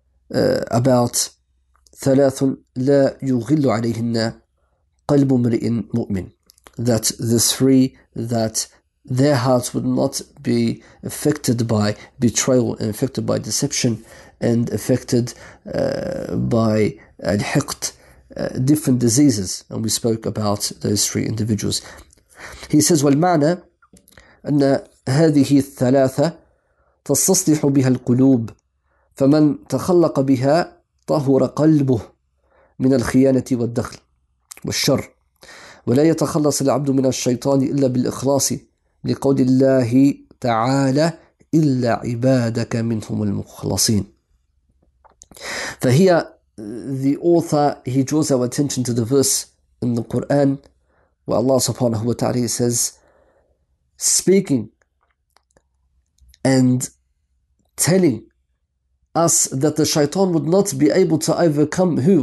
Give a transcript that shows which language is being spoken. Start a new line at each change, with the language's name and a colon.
English: about
Arabic: ثلاث لا يغل عليهن قلب امرئ مؤمن,
English: that the three that their hearts would not be affected by betrayal and affected by deception and affected by الحقد, different diseases, and we spoke about those three individuals. He says
Arabic: والمعنى أن هذه الثلاثة تستصلح بها القلوب فمن تخلق بها طهر قلبه من الخيانة والدخل والشر ولا يتخلص العبد من الشيطان إلا بالإخلاص لقول الله تعالى إلا عبادك منهم المخلصين. فهي
English: the author, he draws our attention to the verse in the Quran where Allah subhanahu wa ta'ala says, speaking and telling us that the shaitan would not be able to overcome who?